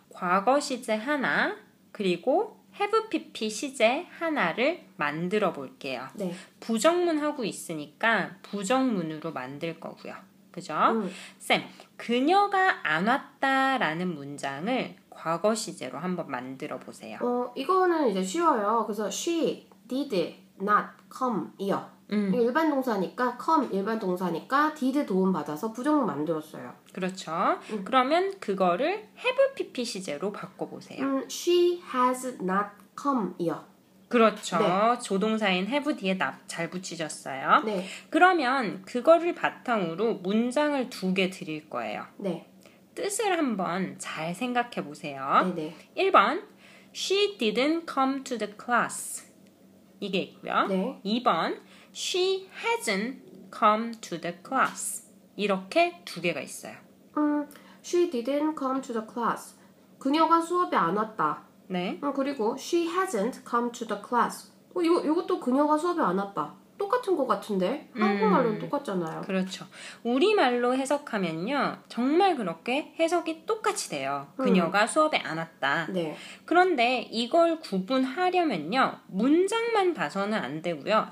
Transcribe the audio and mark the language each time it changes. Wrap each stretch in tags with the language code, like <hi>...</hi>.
<ko>과거 시제 하나 그리고 have PP 시제 하나를 만들어 볼게요. 네. 부정문 하고 있으니까 부정문으로 만들 거고요. 그죠? 쌤, 그녀가 안 왔다라는 문장을 과거 시제로 한번 만들어 보세요. 이거는 이제 쉬워요. 그래서</ko> <en>she did not come here.</en> <ko>일반 동사니까 come 일반 동사니까 did 도움 받아서 부정문 만들었어요. 그렇죠. 그러면 그거를 have PP 시제로 바꿔 보세요.</ko> <en>She has not come here.</en> <ko>그렇죠. 네. 조동사인 have 뒤에 not 잘 붙이셨어요. 네. 그러면 그거를 바탕으로 문장을 두 개 드릴 거예요. 네. 뜻을 한번 잘 생각해 보세요. 네, 네.</ko> <en>1번 She didn't come to the class.</en> <ko>이게 있고요. 네.</ko> <en>2번 She hasn't come to the class.</en> <ko>이렇게 두 개가 있어요.</ko> <en>She didn't come to the class.</en> <ko>그녀가 수업에 안 왔다. 네. 그리고</ko> <en>she hasn't come to the class.</en> <ko>이것도 그녀가 수업에 안 왔다. 똑같은 것 같은데 한국말로는 똑같잖아요. 그렇죠. 우리말로 해석하면요. 정말 그렇게 해석이 똑같이 돼요. 그녀가 수업에 안 왔다. 네. 그런데 이걸 구분하려면요. 문장만 봐서는 안 되고요.</ko>